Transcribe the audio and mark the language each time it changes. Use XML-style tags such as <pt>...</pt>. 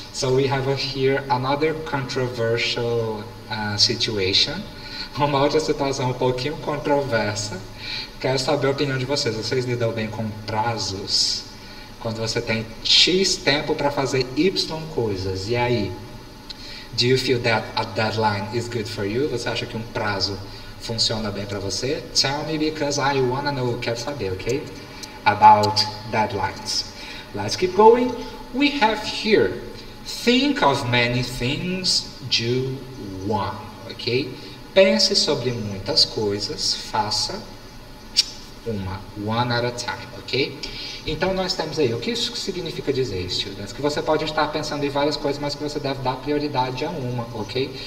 <en>So we have here another controversial situation,</en> <pt>uma outra situação um pouquinho controversa. Quero saber a opinião de vocês. Vocês lidam bem com prazos? Quando você tem X tempo para fazer Y coisas, e aí?</pt> <en>Do you feel that a deadline is good for you?</en> <pt>Você acha que um prazo funciona bem para você?</pt> <en>Tell me, because I wanna know,</en> <pt>quero saber,</pt> <en>ok? About deadlines. Let's keep going. We have here, think of many things, do one, ok?</en> <pt>Pense sobre muitas coisas, faça uma,</pt> <en>one at a time,</en> <pt>ok? Então, nós temos aí, o que isso significa dizer, students? Que você pode estar pensando em várias coisas, mas que você deve dar prioridade a uma, ok?</pt>